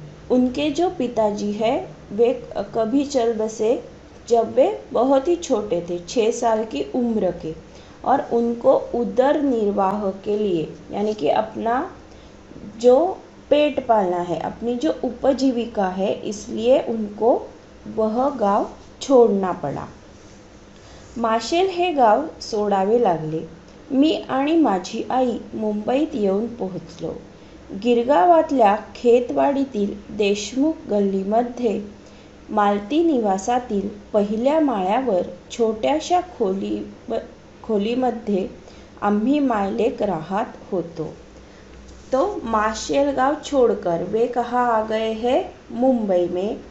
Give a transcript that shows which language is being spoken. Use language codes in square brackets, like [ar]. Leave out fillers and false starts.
[hi] उनके जो पिताजी है वे कभी चल बसे जब वे बहुत ही छोटे थे, 6 साल की उम्र के, और उनको उदर निर्वाह के लिए यानी कि अपना जो पेट पालना है, अपनी जो उपजीविका है, इसलिए उनको वह गांव छोड़ना पड़ा। [mr] माशेल हे गाव सोडावे लागले। मी आणि माझी आई मुंबईत येऊन पोहोचलो। गिरगावातल्या खेतवाडीतील देशमुख गल्लीमध्ये मालती निवासातील पहिल्या माळ्यावर छोट्याशा खोलीमध्ये आम्ही मालक राहत होतो। [hi] तो माशेल गाव छोड़कर वे कहाँ आ गए हैं? मुंबई में।